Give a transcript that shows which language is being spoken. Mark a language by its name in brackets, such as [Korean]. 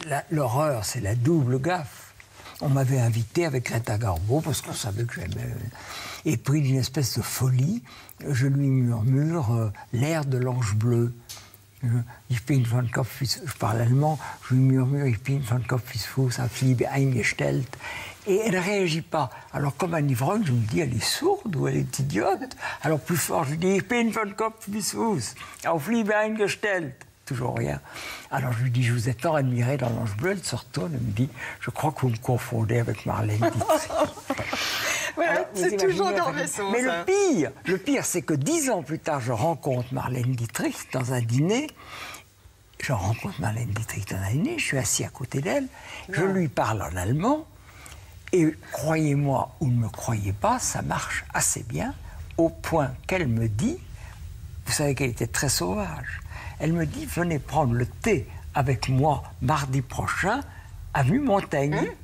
[French] L'horreur, c'est la double gaffe. On m'avait invité avec Greta Garbo parce qu'on savait que j'aimais. Et pris d'une espèce de folie, je lui murmure l'air de l'ange bleu. [German] Ich bin von Kopf, [French] je parle allemand, je lui murmure [German] Ich bin von Kopf bis Fuß, auf Liebe eingestellt. [French] Et elle ne réagit pas. Alors, comme un ivrogne, je me dis elle est sourde ou elle est idiote. Alors, plus fort, je lui dis [German] Ich bin von Kopf bis Fuß, auf Liebe eingestellt. [French] Toujours rien. Alors je lui dis, je vous ai tant admiré dans l'Ange Bleu, elle se retourne et me dit, je crois que vous me confondez avec Marlène Dietrich. Voilà, alors, c'est toujours dans mes sens. Mais le pire, c'est que 10 ans plus tard, je rencontre Marlène Dietrich dans un dîner, je suis assis à côté d'elle, je lui parle en allemand, et croyez-moi ou ne me croyez pas, ça marche assez bien, au point qu'elle me dit, vous savez qu'elle était très sauvage, elle me dit, venez prendre le thé avec moi mardi prochain, avenue Montaigne.